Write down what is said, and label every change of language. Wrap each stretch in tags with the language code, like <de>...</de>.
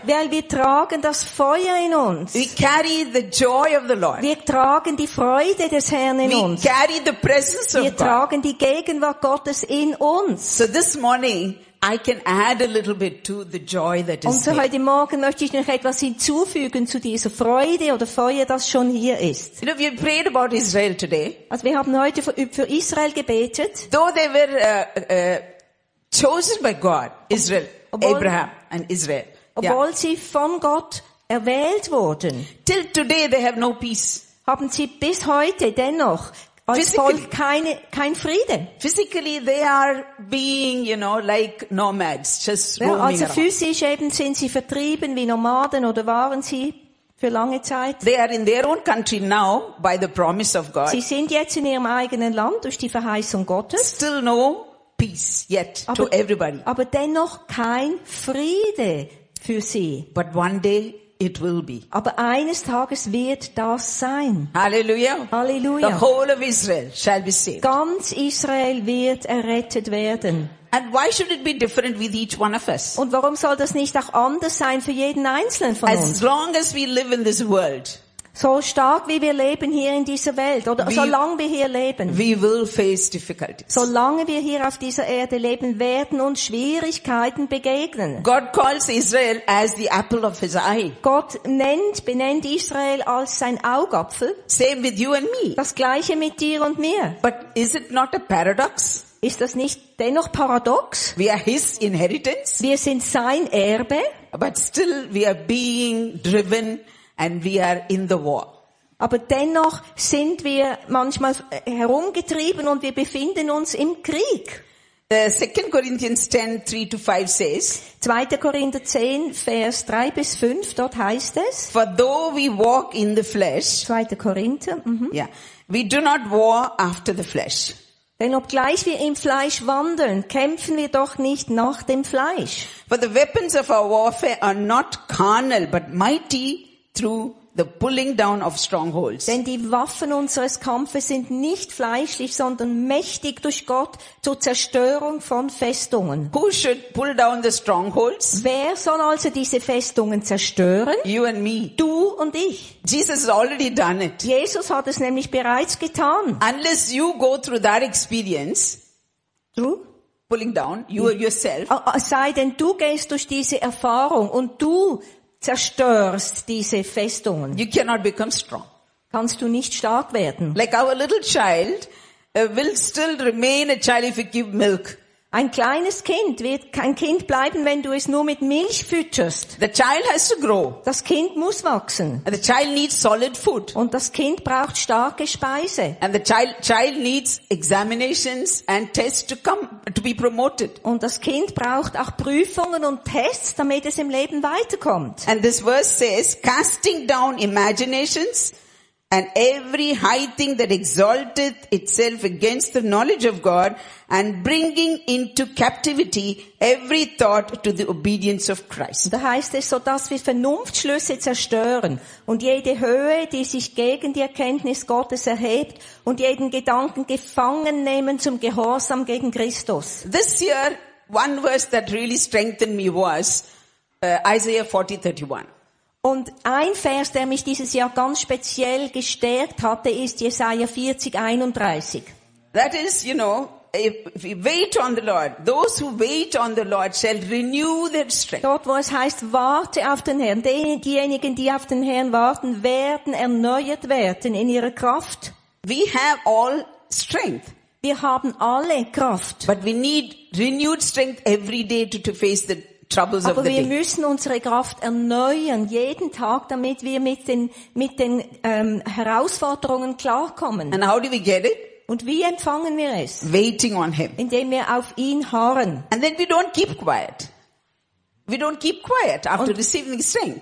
<de>Weil wir tragen das Feuer in uns.</de> <en>We carry the joy of the Lord.</en> <de>Wir tragen die Freude des Herrn in uns.</de> <en>We carry the presence of</en> <de>God. Wir tragen die Gegenwart Gottes in uns.</de> <en>So this morning I can add a little bit to the joy that is.</en> <de>Und so heute Morgen möchte ich noch etwas hinzufügen zu dieser Freude oder Feuer, das schon hier ist.</de> <en>You know, we prayed about Israel today.</en> <de>Also wir haben heute für Israel gebetet.</de> <en>Though they were chosen by God, Israel, Abraham and Israel.</en> <de>Obwohl sie von Gott erwählt wurden.</de> <en>Till today they have no peace.</en> <de>Haben sie bis heute dennoch als Volk kein Frieden.</de> <en>Physically they are being, you know, like nomads, just roaming around.</en> <de>Also physisch eben sind sie vertrieben wie Nomaden oder waren sie? für lange Zeit.</de> <en>They are in their own country now by the promise of God.</en> <de>Sie sind jetzt in ihrem eigenen Land durch die Verheißung Gottes.</de> <en>Still no peace yet aber, to everybody.</en> <de>Aber dennoch kein Friede für sie.</de> <en>But one day it will be.</en> <de>Aber eines Tages wird das sein. Hallelujah. Hallelujah.</de> <en>The whole of Israel shall be saved.</en> <de>Ganz Israel wird errettet werden.</de> <en>And why should it be different with each one of us?</en> <de>Und warum soll das nicht auch anders sein für jeden einzelnen von uns?</de> <en>As long as we live in this world.</en> <de>So stark wie wir leben hier in dieser Welt oder solange wir hier leben.</de> <en>We will face difficulties.</en> <de>Solange wir hier auf dieser Erde leben, werden uns Schwierigkeiten begegnen.</de> <en>God calls Israel as the apple of his eye.</en> <de>Gott benennt Israel als sein Augapfel.</de> <en>Same with you and me.</en> <de>Das gleiche mit dir und mir.</de> <en>But is it not a paradox?</en> <de>Ist das nicht dennoch paradox?</de> <en>We are his inheritance.</en> <de>Wir sind sein Erbe.</de> <en>But still we are being driven and we are in the war.</en> <de>Aber dennoch sind wir manchmal herumgetrieben und wir befinden uns im Krieg.</de> <en>2 Corinthians 10, 3 to 5 says,</en> <de>2. Korinther 10, Vers 3 bis 5, dort heißt es,</de> <en>for though we walk in the flesh,</en> <de>2. Korinther,</de> <en>yeah, we do not war after the flesh.</en> <de>Denn obgleich wir im Fleisch wandeln, kämpfen wir doch nicht nach dem Fleisch.</de> <en>For the weapons of our warfare are not carnal, but mighty through the pulling down of strongholds.</en> <de>Denn die Waffen unseres Kampfes sind nicht fleischlich, sondern mächtig durch Gott zur Zerstörung von Festungen.</de> <en>Who should pull down the strongholds?</en> <de>Wer soll also diese Festungen zerstören?</de> <en>You and me.</en> <de>Du und ich.</de> <en>Jesus has already done it.</en> <de>Jesus hat es nämlich bereits getan.</de> <en>Unless you go through that experience. True. Pulling down you yeah. yourself.</en> <de>Sei denn du gehst durch diese Erfahrung und du zerstörst diese Festungen.</de> <en>You cannot become strong.</en> <de>Kannst du nicht stark werden?</de> <en>Like our little child will still remain a child if you give milk.</en> <de>Ein kleines Kind wird kein Kind bleiben, wenn du es nur mit Milch fütterst.</de> <en>The child has to grow.</en> <de>Das Kind muss wachsen.</de> <en>And the child needs solid food.</en> <de>Und das Kind braucht starke Speise.</de> <en>And the child needs examinations and tests to be promoted.</en> <de>Und das Kind braucht auch Prüfungen und Tests, damit es im Leben weiterkommt.</de> <en>And this verse says, casting down imaginations and every high thing that exalteth itself against the knowledge of God, and bringing into captivity every thought to the obedience of Christ.</en> <de>Da heißt es, so dass wir Vernunftschlüsse zerstören und jede Höhe, die sich gegen die Erkenntnis Gottes erhebt, und jeden Gedanken gefangen nehmen zum Gehorsam gegen Christus.</de> <en>This year, one verse that really strengthened me was Isaiah 40:31.</en> <de>Und ein Vers, der mich dieses Jahr ganz speziell gestärkt hatte, ist Jesaja 40:31.</de> <en>That is, you know, if we wait on the Lord, those who wait on the Lord shall renew their strength.</en> <de>Dort, wo es heißt, warte auf den Herrn. Diejenigen, die auf den Herrn warten, werden erneuert werden in ihrer Kraft.</de> <en>We have all strength.</en> <de>Wir haben alle Kraft.</de> <en>But we need renewed strength every day to face the troubles</en> <de>aber wir</de> <en>day.</en> <de>Müssen unsere Kraft erneuern jeden Tag, damit wir mit den Herausforderungen klarkommen.</de> <en>And how do we get it?</en> <de>Und wie empfangen wir es?</de> <en>Waiting on him.</en> <de>Indem wir auf ihn harren.</de> <en>And then we don't keep quiet. We don't keep quiet after receiving strength.</en>